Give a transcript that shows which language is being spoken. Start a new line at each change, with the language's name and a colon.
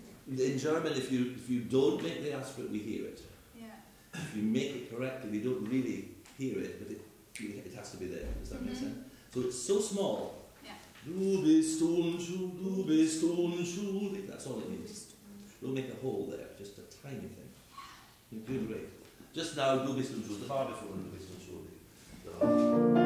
English: If you don't make the aspirate, we hear it. Yeah. If you make it correctly, we don't really hear it, but it has to be there. Does that mm-hmm. make sense? So it's so small. Yeah.
German: Du bist unschuldig, du bist unschuldig.
English: That's all it means. Don't make a hole there, just a tiny thing. You're doing great. Just now,
German: du bist unschuldig,
English: the bar before,
German: du bist unschuldig.